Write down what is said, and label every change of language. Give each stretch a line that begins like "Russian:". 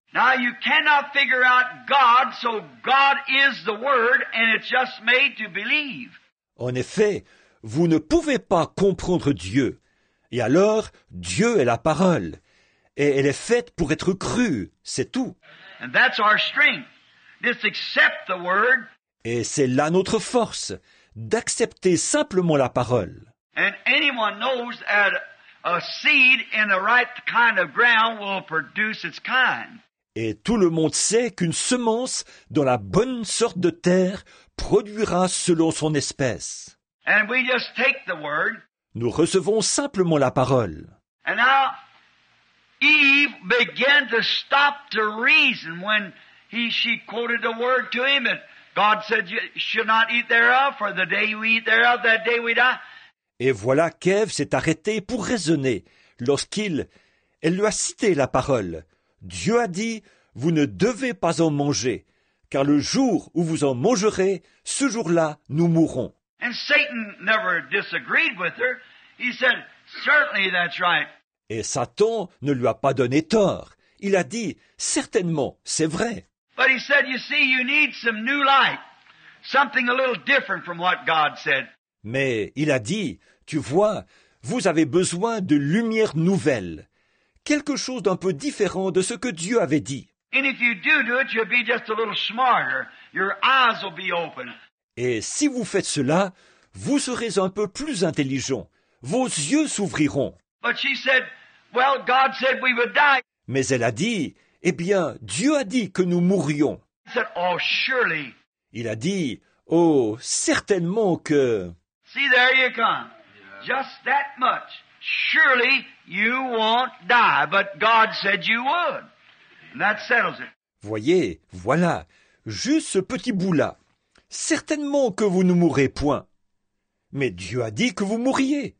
English: Now you cannot figure out God, so God is the word and it's just made to believe.
French: En effet, vous ne pouvez pas comprendre Dieu. Et alors, Dieu est la parole, et elle est faite pour être crue, c'est tout.
English: And that's our strength, just accept the word.
French: Et c'est là notre force, d'accepter simplement la parole.
English: And anyone knows that a seed in the right kind of ground will produce its kind.
French: Et tout le monde sait qu'une semence dans la bonne sorte de terre produira selon son espèce.
English: And we just take the word.
French: Nous recevons simplement la parole.
English: And now Eve began to stop to reason when she quoted the word to him. And God said, you should not eat thereof, for the day you eat thereof, that day we die.
French: Et voilà qu'Ève s'est arrêtée pour raisonner lorsqu'elle lui a cité la parole. Dieu a dit, vous ne devez pas en manger, car le jour où vous en mangerez, ce jour-là, nous mourrons.
English: And Satan never disagreed with her. He said, certainly that's right.
French: Et Satan ne lui a pas donné tort. Il a dit, certainement, c'est vrai.
English: But he said, you see, you need some new light. Something a little different from what God said.
French: Mais il a dit, tu vois, vous avez besoin de lumière nouvelle. Quelque chose d'un peu différent de ce que Dieu avait dit.
English: And if you do it, you'll be just a little smarter. Your eyes will be open.
French: Et si vous faites cela, vous serez un peu plus intelligent. Vos yeux s'ouvriront.
English: But she said, well, God said we would die.
French: Mais elle a dit, eh bien, Dieu a dit que nous mourrions.
English: He said, oh, surely.
French: Il a dit, oh, certainement que...
English: See, there you come. Just that much. Surely You won't die, but God said you would. And that settles it.
French: Voyez, voilà, juste ce petit bout-là. Certainement que vous ne mourrez point. Mais Dieu a dit que vous mourriez.